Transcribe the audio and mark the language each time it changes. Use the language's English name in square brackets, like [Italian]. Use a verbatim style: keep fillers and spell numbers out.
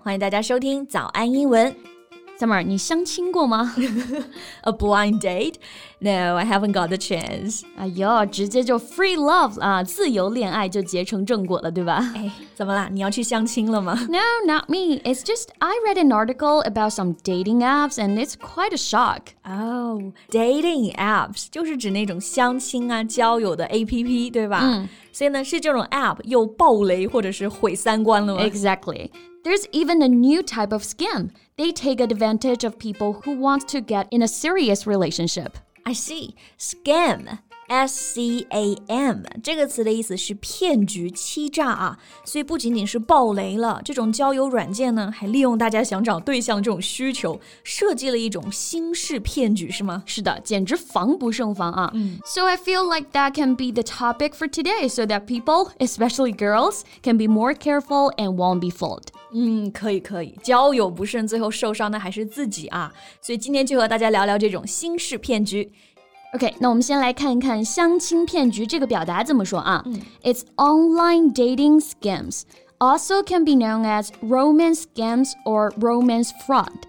[Chinese] 欢迎大家收听早安英文。 Summer, 你相亲过吗？ [English] A blind date? No, I haven't got the chance. [Chinese] 哎呦，直接就 [English] free love [Chinese] 啊，自由恋爱就结成正果了，对吧？哎，怎么啦？你要去相亲了吗？ [English] No, not me. It's just I read an article about some dating apps and it's quite a shock. Oh, dating apps [Chinese] 就是指那种相亲啊、交友的 A P P, 对吧？嗯。所以呢，是这种 app 又爆雷或者是毁三观了吗？ [English] Exactly. There's even a new type of scam. They take advantage of people who want to get in a serious relationship. I see. Scam, S C A M, [Chinese] 这个词的意思是骗局欺诈啊。所以不仅仅是爆雷了，这种交友软件呢，还利用大家想找对象这种需求，设计了一种新式骗局，是吗？是的，简直防不胜防啊。嗯。 [English] So I feel like that can be the topic for today, so that people, especially girls, can be more careful and won't be fooled. [Chinese] 嗯，可以可以，交友不慎，最后受伤的还是自己啊。所以今天就和大家聊聊这种新式骗局。 OK， 那我们先来看一看相亲骗局这个表达怎么说啊？ [English] 嗯、It's online dating scams, also can be known as romance scams or romance fraud.